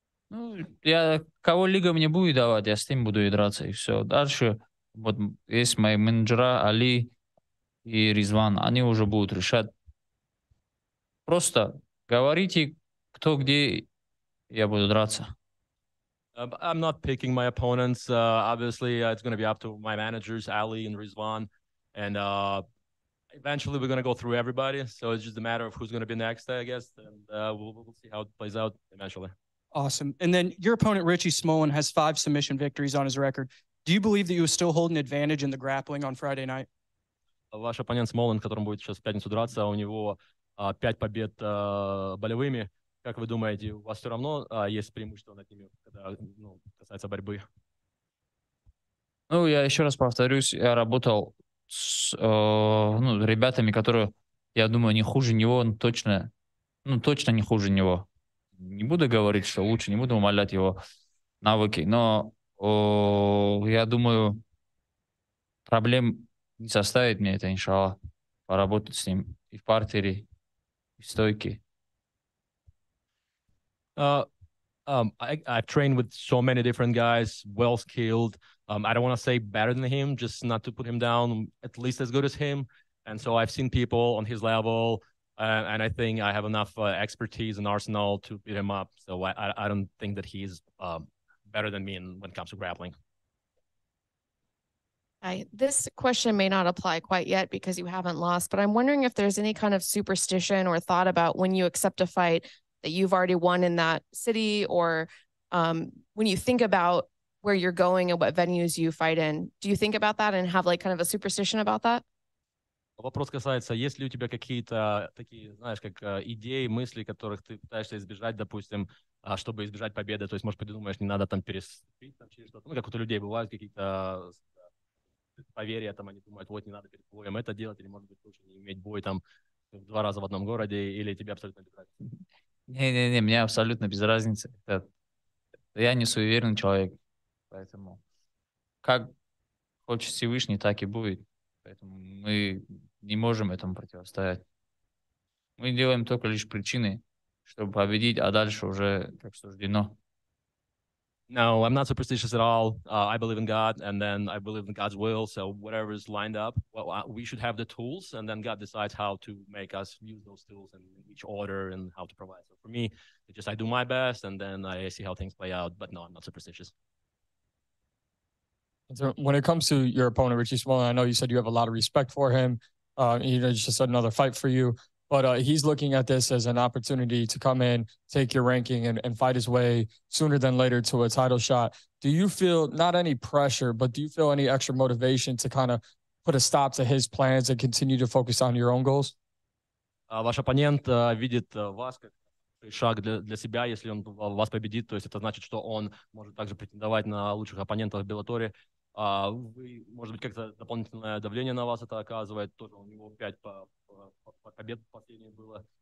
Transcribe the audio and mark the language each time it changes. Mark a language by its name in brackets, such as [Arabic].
[Russian] Ну, я кого лига мне будет давать, я с ним буду и драться, и все. Дальше вот есть мои менеджера Али и Ризван, они уже будут решать. Просто говорите, кто где, я буду драться. [English] I'm not picking my opponents. Obviously, it's going to be up to my managers, Ali and Ризван. And eventually, we're going to go through everybody. So it's just a matter of who's going to be next, I guess. And we'll see how it plays out eventually. Awesome. And then your opponent, Richie Smullen, has 5 submission victories on his record. Do you believe that you still hold an advantage in the grappling on Friday night? [Russian] Ваш оппонент Смолен, которым будет сейчас в пятницу драться, у него 5 побед болевыми. Как вы думаете, у вас все равно есть преимущество над ними, когда ну, касается борьбы? Ну, я еще раз повторюсь, я работал с ребятами, которые, я думаю, не хуже него, точно не хуже него. Не буду говорить, что лучше, не буду умалять его навыки, но я думаю, проблем не составит мне это, иншалла, поработать с ним и в партере, и в стойке. [English] I've trained with so many different guys, well skilled. I don't want to say better than him, just not to put him down, at least as good as him. And so I've seen people on his level, and I think I have enough expertise and arsenal to beat him up. So I don't think that he's better than me when it comes to grappling. Hi. This question may not apply quite yet because you haven't lost, but I'm wondering if there's any kind of superstition or thought about when you accept a fight that you've already won in that city, or when you think about where you're going and what venues you fight in. Do you think about that and have like kind of a superstition about that? [Russian] Вопрос касается, есть ли у тебя какие-то такие, знаешь, как идеи, мысли, которых ты пытаешься избежать, допустим, чтобы избежать победы, то есть, может, подумаешь, не надо там переступить там через что-то, ну, как у людей бывают какие-то поверье, там они думают, вот не надо перед боем это делать, или может быть лучше не иметь бой там 2 раза в одном городе, или тебе абсолютно без разницы? Не, мне абсолютно без разницы. Я не суеверный человек, поэтому как хочет Всевышний, так и будет. Поэтому мы не можем этому противостоять. Мы делаем только лишь причины, чтобы победить, а дальше уже как суждено. [English] No, I'm not superstitious at all. I believe in God, and then I believe in God's will. So whatever is lined up, well, we should have the tools, and then God decides how to make us use those tools and in which order and how to provide. So for me, it's just I do my best, and then I see how things play out. But no, I'm not superstitious. So when it comes to your opponent, Richie Smullen, I know you said you have a lot of respect for him. You know, just said another fight for you. But he's looking at this as an opportunity to come in, take your ranking and fight his way sooner than later to a title shot. Do you feel not any pressure, but do you feel any extra motivation to kind of put a stop to his plans and continue to focus on your own goals? [Russian] Ваш оппонент видит вас как шаг для себя, если он вас победит. То есть это значит, что он может также претендовать на лучших оппонентов в Беллаторе. Вы, может быть, как-то дополнительное давление на вас это оказывает? Тоже у него 5 по побед последнее было.